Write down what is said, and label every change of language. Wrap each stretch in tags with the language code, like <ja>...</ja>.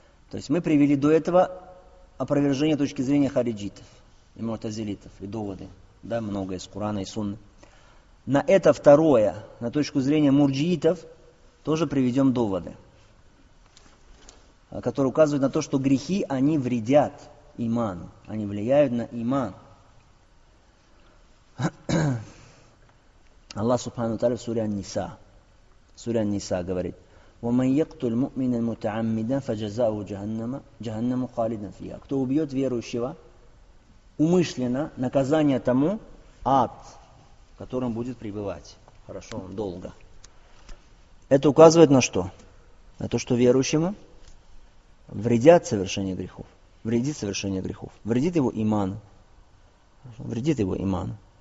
<ru>То есть мы привели до этого опровержение точки зрения хариджитов и муртазилитов, и доводы, да, многое из Курана и Сунны. На это второе, на точку зрения мурджиитов, тоже приведем доводы, которые указывают на то, что грехи, они вредят иману, они влияют на иман. Аллах Субхану Тааля в суре Ан-Ниса говорит,</ru> <ar>وَمَنْ يَقْتُلْ مُؤْمِنًا مُتَعَمِّدًا فَجَزَاؤُهُ جَهَنَّمُ خَالِدًا فِيهَا.</ar> <ru>Кто убьет верующего умышленно, наказание тому ад, в котором будет пребывать. Хорошо, он долго. Это указывает на что? На то, что верующему вредят совершение грехов. Вредит совершение грехов. Вредит его иман. Вредит его иман.</ru>